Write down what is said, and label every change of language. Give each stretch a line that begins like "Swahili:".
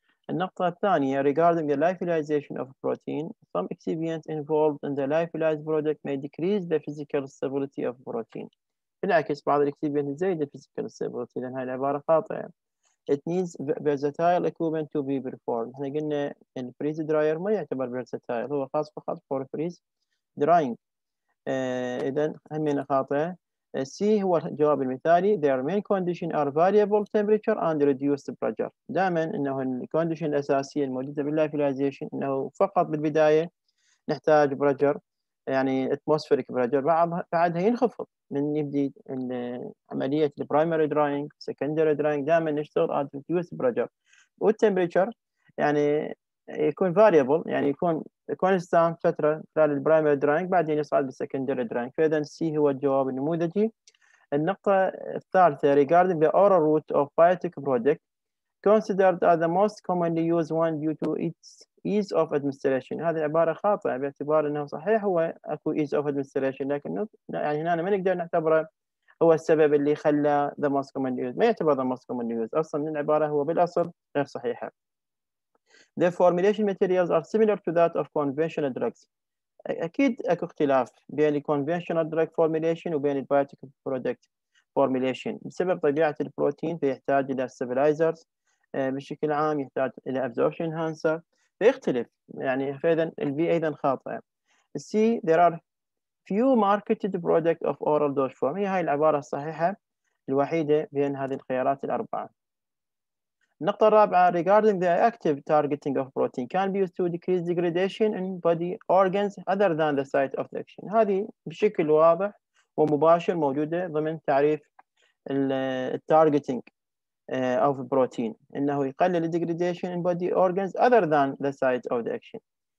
Arabic: النقطة الثانية
English: regarding the lyophilization of protein some excipients involved in the lyophilized product may decrease the physical stability of protein.
Arabic: بالعكس بعض الاكسيبيانت تزيد الفيزيكال ستابلتي، لان هاي العبارة خاطئة.
English: It needs versatile equipment to be performed.
Arabic: احنا قلنا الفريز دراير ما يعتبر versatile، هو خاص فقط
English: for freeze drying.
Arabic: اذا همينة خاطئة. C هو الجواب المثالي.
English: Their main condition are variable temperature and reduced pressure.
Arabic: دائما انه الكونديشن الاساسيه الموجوده باللايفلايزيشن انه فقط بالبدايه نحتاج برجر يعني اتموسفيريك برجر، بعدها ينخفض من يبدي عمليه البرايمري دراينج سكندري دراينج، دائما نشتغل على reduced برجر. والتمبريتشر يعني يكون variable يعني يكون كونستانت فترة خلال البرايمري دراينج بعدين يصعد بالسكندري دراينج. فإذا سي هو الجواب النموذجي. النقطة الثالثة
English: regarding the oral route of biotech product considered as the most commonly used one due to its ease of administration.
Arabic: هذه عبارة خاطئة باعتبار أنه صحيح هو اكو
English: ease of administration
Arabic: لكن يعني هنا ما نقدر نعتبره هو السبب اللي خلى
English: the most commonly used،
Arabic: ما يعتبر the most commonly used أصلا، من العبارة هو بالأصل غير صحيحة.
English: The formulation materials are similar to that of conventional drugs.
Arabic: أكيد أكو اختلاف بين الـ conventional drug formulation وبين الـ biotech product formulation بسبب طبيعة البروتين، فيحتاج إلى stabilizers بشكل عام، يحتاج إلى absorption enhancer، فيختلف يعني. فإذا الـ B أيضا خاطئة.
English: C there are few marketed products of oral dose form.
Arabic: هي العبارة الصحيحة الوحيدة بين هذه الخيارات الأربعة. النقطة الرابعة
English: regarding the active targeting of protein can be used to decrease degradation in body organs other than the site of the action.
Arabic: هذه بشكل واضح ومباشر موجودة ضمن تعريف التارجتنج
English: of protein،
Arabic: انه يقلل
English: degradation in body organs other than the site of the action.